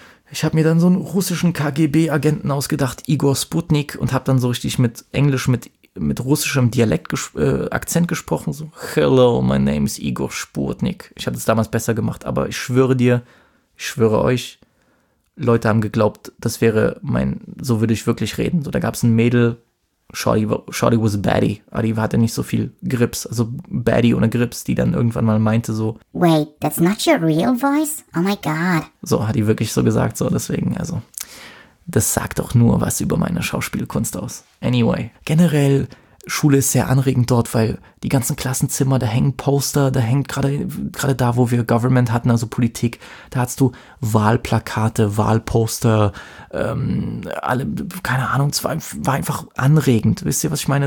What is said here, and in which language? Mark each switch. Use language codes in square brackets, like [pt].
[de] Ich habe mir dann so einen russischen KGB-Agenten ausgedacht, Igor Sputnik, und habe dann so richtig mit Englisch, mit russischem Dialekt Akzent gesprochen, so, [en] hello, my name is Igor Sputnik. [de] Ich habe das damals besser gemacht, aber ich schwöre euch, Leute haben geglaubt, das wäre mein, so würde ich wirklich reden. So, da gab es ein Mädel, [en] Shorty was a baddie, [de] aber die hatte nicht so viel Grips, also baddie ohne Grips, die dann irgendwann mal meinte so, [en] wait, that's not your real voice? Oh my god. [de] So, hat die wirklich so gesagt, so, deswegen, also, das sagt doch nur was über meine Schauspielkunst aus. Anyway, generell, Schule ist sehr anregend dort, weil die ganzen Klassenzimmer, da hängen Poster, da hängt gerade da, wo wir Government hatten, also Politik, da hast du Wahlplakate, Wahlposter, alle, keine Ahnung, war einfach anregend. Wisst ihr, was ich meine?